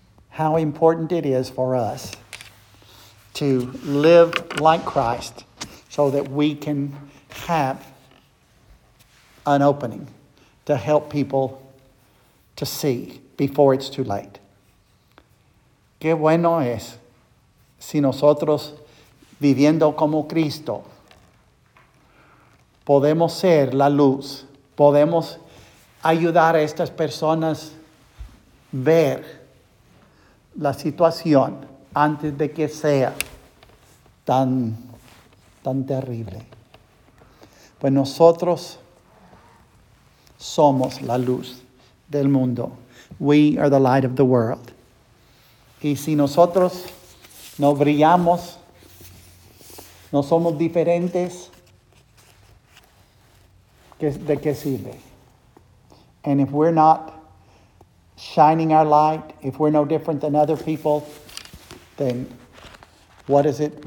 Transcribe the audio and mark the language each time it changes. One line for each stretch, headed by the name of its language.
English: How important it is for us to live like Christ so that we can have an opening to help people to see before it's too late.
Spanish: Qué bueno es si nosotros viviendo como Cristo podemos ser la luz, podemos ayudar a estas personas ver la situación antes de que sea tan terrible. Pues nosotros somos la luz del mundo.
English: We are the light of the world.
Spanish: Y si nosotros no brillamos, no somos diferentes, ¿de qué sirve?
English: And if we're not shining our light, if we're no different than other people, then what is it?